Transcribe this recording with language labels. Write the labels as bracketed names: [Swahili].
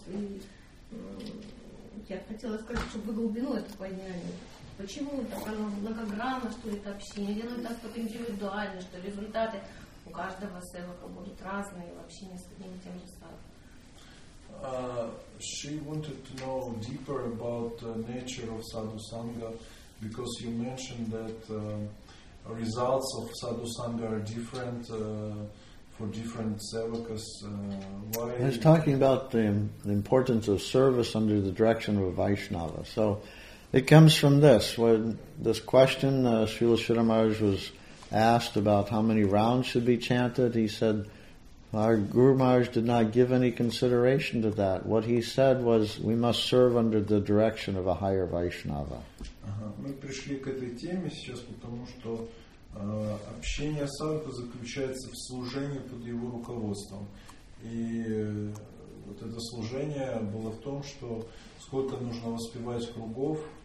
[Russian] И я хотела сказать, чтобы вы глубину это поняли. Почему так оно многогранно, что ли, это общение? Или оно так индивидуально, что результаты у каждого севака будут разные в общении с одним и тем же садом? [English] She wanted to know deeper about the nature of Sadhu Sangha, because you mentioned that results of Sadhu Sangha are different for different sevakas. Why? He's talking about the importance of service under the direction of a Vaishnava. So it comes from this. When this question Srila Shridhara Maharaj was asked about how many rounds should be chanted, he said, Our Guru Maharaj did not give any consideration to that. What he said was, we must serve under the direction of a higher Vaishnava. [Russian] Мы пришли к этой теме сейчас потому, что общение садху заключается в служении под его руководством. И вот это служение было в том, что сколько нужно воспевать кругов.